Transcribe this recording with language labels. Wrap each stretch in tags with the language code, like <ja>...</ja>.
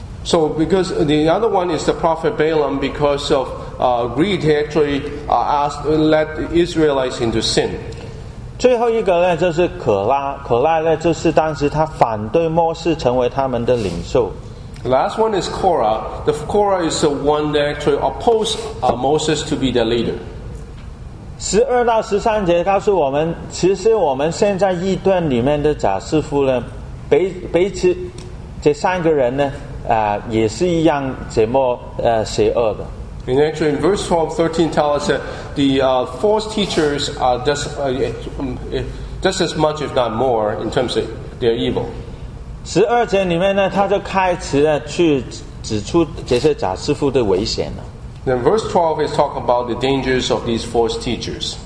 <en>So because the other one is the prophet Balaam, because of greed, he actually let Israelites into sin.</en> <zh>最后一个呢就是可拉，可拉呢就是当时他反对摩西成为他们的领袖。</zh> <en>The last one is Korah. The Korah is the one that actually opposed Moses to be the leader.</en> <zh>12到13节告诉我们，其实我们现在异端里面的假师傅呢，彼此这三个人呢，也是一样这么邪恶的。</zh> <en>And actually, in verse 12, 13 tells us that the false teachers are just as much, if not more, in terms of their evil.</en> <zh>十二节里面呢，他就开始去指出这些假师傅的危险了。</zh> <en>Then verse 12 is talking about the dangers of these false teachers.</en>